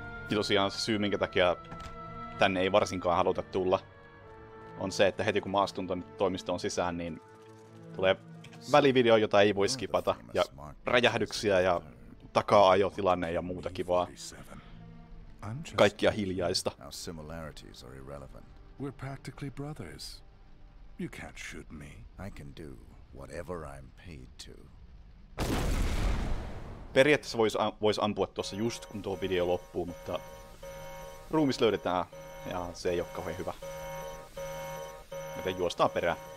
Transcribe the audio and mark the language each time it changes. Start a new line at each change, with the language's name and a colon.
Finnish: Ja tosiaan se syy, minkä takia tänne ei varsinkaan haluta tulla, on se, että heti kun mä astun tuonne toimistoon sisään, niin tulee välivideo, jota ei voi skipata, ja räjähdyksiä, ja taka-ajotilanne, ja muuta kivaa. Kaikkia hiljaista.
English: Our similarities are irrelevant. We're practically brothers. You can't shoot me. I can do whatever I'm paid to.
Finnish: Periaatteessa vois ampua tuossa just kun tuo video loppuu, mutta ruumis löydetään ja se ei oo kauhean hyvä. Joten juostaan perään.